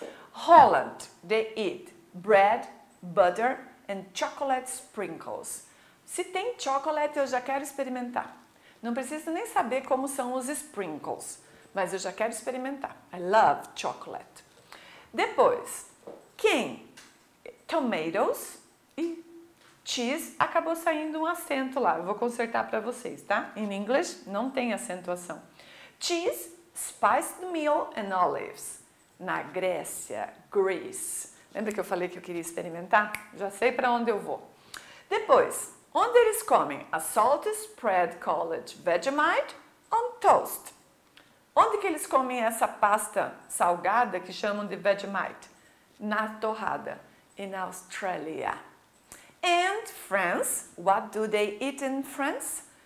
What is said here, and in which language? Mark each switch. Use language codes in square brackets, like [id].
[en] Holland, they eat bread, butter and chocolate sprinkles. [pt] Se tem chocolate, eu já quero experimentar. Não preciso nem saber como são os sprinkles, mas eu já quero experimentar. [en] I love chocolate. [pt] Depois, quem? Tomatoes e cheese. Acabou saindo um acento lá. Eu vou consertar para vocês, tá? [en] In English, [pt] não tem acentuação. [en] Cheese, spiced meal and olives. [pt] Na Grécia, [en] Greece. [pt] Lembra que eu falei que eu queria experimentar? Já sei para onde eu vou. Depois, onde eles comem? [en] A salt spread called Vegemite on toast. [pt] Onde que eles comem essa pasta salgada que chamam de Vegemite? Na torrada. [en] In Australia. And France, what do they eat in France?